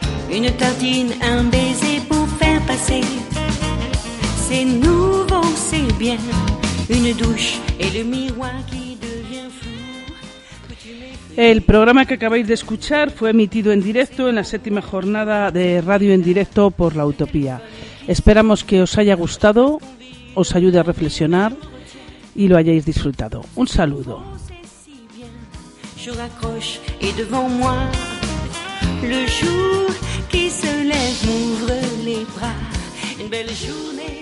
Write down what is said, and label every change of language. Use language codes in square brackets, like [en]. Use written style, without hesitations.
[fr] Une tartine, un baiser pour faire passer. C'est nouveau, c'est bien. Une douche et le miroir qui devient fou. [es] El programa que acabáis de escuchar fue emitido en directo en la 7ª jornada de Radio en Directo por la Utopía. Esperamos que os haya gustado, os ayude a reflexionar y lo hayáis disfrutado. Un saludo. [fr] Je raccroche et devant moi le jour qui se lève m'ouvre les bras. Une belle journée.